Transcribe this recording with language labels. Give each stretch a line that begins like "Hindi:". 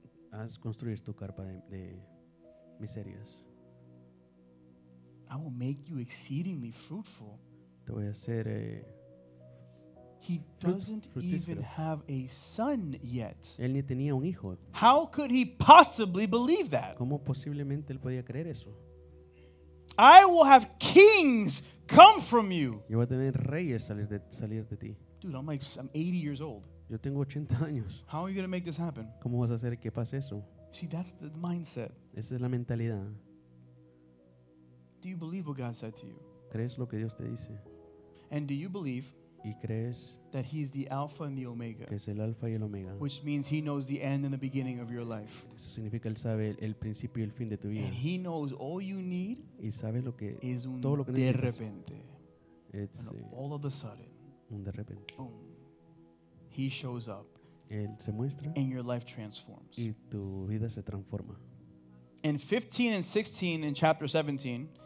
Spanish: Haz construir tu carpa de miserias.
English: I will make you exceedingly fruitful.
Spanish: Te voy a hacer,
English: He doesn't even have a son yet.
Spanish: Él ni tenía un hijo.
English: How could he possibly believe that?
Spanish: ¿Cómo posiblemente él podía creer eso?
English: I will have kings come from you.
Spanish: Yo voy a tener reyes salir de ti.
English: Dude, I'm 80 years old.
Spanish: Yo tengo 80 años.
English: How are you going to make this happen?
Spanish: ¿Cómo vas a hacer que pase eso?
English: See, that's the mindset.
Spanish: Esa es la mentalidad.
English: Do you believe what God said to you?
Spanish: ¿Crees lo que Dios te dice?
English: And do you believe
Spanish: ¿Y crees
English: that he is the Alpha and the Omega,
Spanish: que es el Alpha y el Omega,
English: which means he knows the end and the beginning of your life?
Spanish: Eso significa él sabe el principio y el fin de tu vida.
English: And he knows all you need
Spanish: y sabe lo que,
English: is un
Spanish: todo lo que necesitas. De repente.
English: It's all of a sudden,
Spanish: un de repente.
English: Boom, he shows up.
Spanish: Él se muestra,
English: and your life transforms.
Spanish: Y tu vida se transforma.
English: In 15 and 16 in chapter 17,